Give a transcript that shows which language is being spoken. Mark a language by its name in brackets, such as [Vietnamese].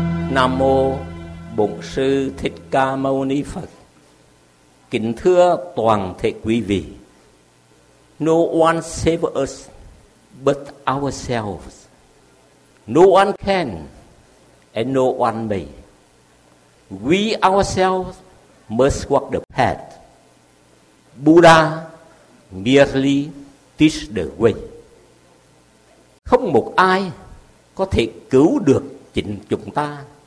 [Vietnamese] Nam mô Bổn sư Thích Ca Mâu Ni Phật. Kính thưa toàn thể quý vị. [English] No one save us but ourselves. No one can and no one may. We ourselves must walk the path. Buddha merely teach the way. [Vietnamese] Không một ai có thể cứu được chính chúng ta.